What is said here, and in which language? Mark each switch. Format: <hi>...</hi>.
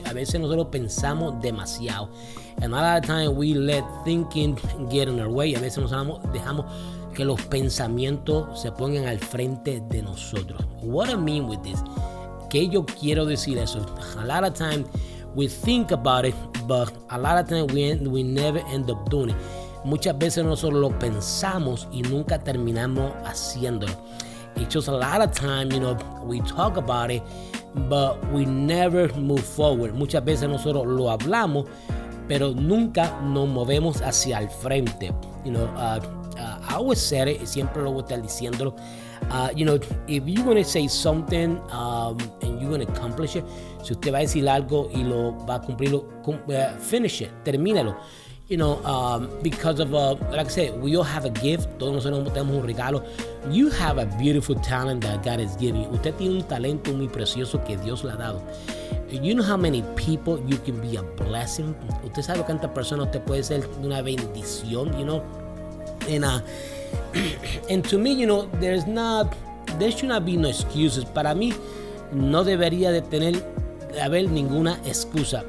<es>A veces nosotros pensamos demasiado.</es> <en>And a lot of times we let thinking get in our way.</en> <es>A veces nosotros dejamos que los pensamientos se pongan al frente de nosotros.</es> <en>What I mean with this?</en> <es>¿Qué yo quiero decir eso?</es> <en>A lot of times we think about it, but a lot of times we never end up doing it.</en> <es>Muchas veces nosotros lo pensamos y nunca terminamos haciéndolo.</es> <en>It's just a lot of time, you know, we talk about it, but we never move forward.</en> <es>Muchas veces nosotros lo hablamos, pero nunca nos movemos hacia el frente.</es> <en>You know, I always said it,</en> <es>siempre lo voy a estar diciéndolo.</es> <en>You know, if you're going to say something and you're going to accomplish it,</en> <es>si usted va a decir algo y lo va a cumplirlo,</es> <en>finish it,</en> <es>termínalo.</es> <en>You know, because of, like I said, we all have a gift.</en> <es>Todos nosotros tenemos un regalo.</es> <en>You have a beautiful talent that God has given you.</en> <es>Usted tiene un talento muy precioso que Dios le ha dado.</es> <en>You know how many people you can be a blessing.</en> <es>Usted sabe cuántas personas usted puede ser una bendición,</es> <en>you know. And to me, you know, there should not be no excuses.</en> <es>Para mí, no debería de tener, haber ninguna excusa.</es>